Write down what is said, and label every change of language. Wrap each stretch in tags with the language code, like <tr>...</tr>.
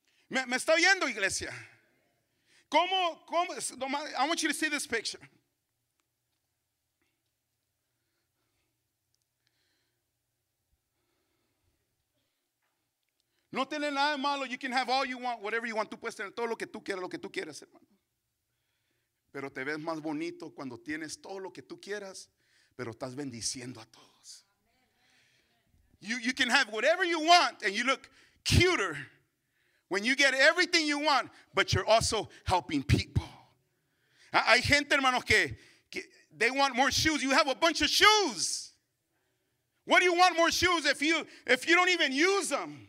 <es>Me está oyendo, iglesia. ¿Cómo?</es> <en>I want you to see this picture.</en> <es>No tiene nada de malo.</es> <en>You can have all you want, whatever you want.</en> <es>Tú puedes tener todo lo que tú quieras, hermano. Pero te ves más bonito cuando tienes todo lo que tú quieras, pero estás bendiciendo a todos.</es> <en>You can have whatever you want and you look cuter when you get everything you want, but you're also helping people.</en> <es>Hay gente, hermanos, que</es> <en>they want more shoes. You have a bunch of shoes. What do you want more shoes if you don't even use them?</en>